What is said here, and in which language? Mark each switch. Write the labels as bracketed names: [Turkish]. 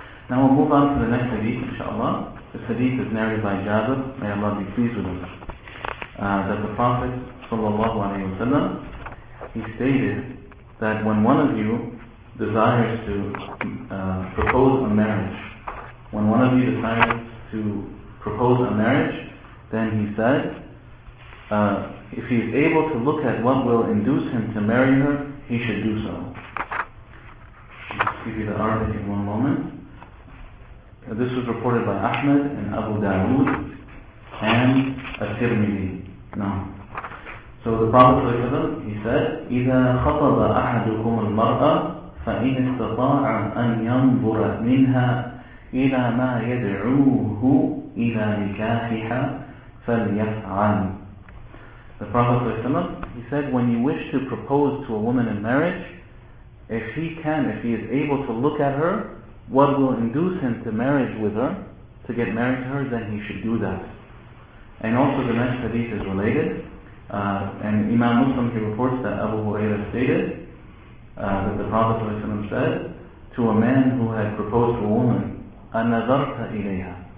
[English] Now we'll move on to the next hadith, inshaAllah. This hadith is narrated by Jabir, may Allah be pleased with him, that the Prophet sallallahu alaihi wasallam, he stated that when one of you desires to propose a marriage, when one of you decides to propose a marriage, then he said, if he is able to look at what will induce him to marry her, he should do so. Let's give you the Arabic in one moment. This was reported by Ahmed and Abu Dawood and At-Tirmidhi. No. So the Prophet ﷺ, he said, [Arabic] إِذَا خَطَبَ أَحَدُكُمُ الْمَرْأَةَ فَإِنِ اسْتَطَاعَ أَنْ يَنْظُرَ مِنْهَا إِلَى مَا يَدْعُوهُ إِلَى نِكَاحِهَا فَلْيَفْعَلْ. [English] The Prophet ﷺ, he said, when you wish to propose to a woman in marriage, if he is able to look at her, what will induce him to marriage with her, to get married to her, then he should do that. And also the next hadith is related. And Imam Muslim, he reports that Abu Hurairah stated that the Prophet ﷺ said to a man who had proposed to a woman, [Arabic] أَنَذَرْتَ إِلَيْهَا.